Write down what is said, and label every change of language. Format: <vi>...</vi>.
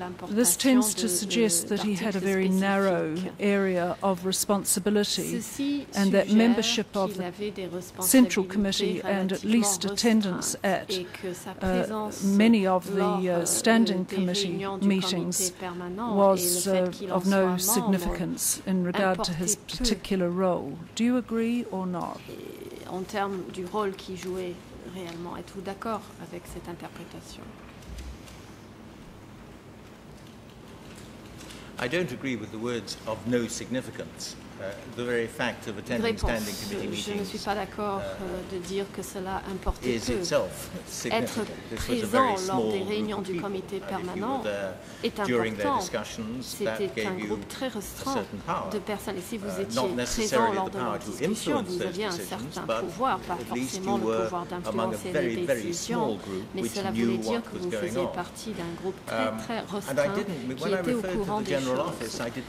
<en>This tends to suggest that he had a very narrow area of responsibility, and that membership of the Central Committee and at least attendance at many of the standing committee meetings was of no significance in regard to his particular role. Do you agree or not?</en> <fr>En termes du rôle qu'il jouait réellement, êtes-vous d'accord avec cette interprétation?</fr> <en>I don't agree with the words of no significance. The very fact of attending standing committee meetings,</en> <fr>je ne suis pas d'accord de dire que cela importe peu.</fr> <en>Is itself significant.</en> <fr>Être présent lors des réunions du comité permanent est important. C'était un groupe très restreint de personnes. Et si vous étiez présent lors de nos discussions, vous aviez un certain pouvoir, pas forcément le pouvoir d'influencer les décisions, mais cela voulait dire que vous faisiez partie d'un groupe très, très restreint qui était au courant des choses.</fr>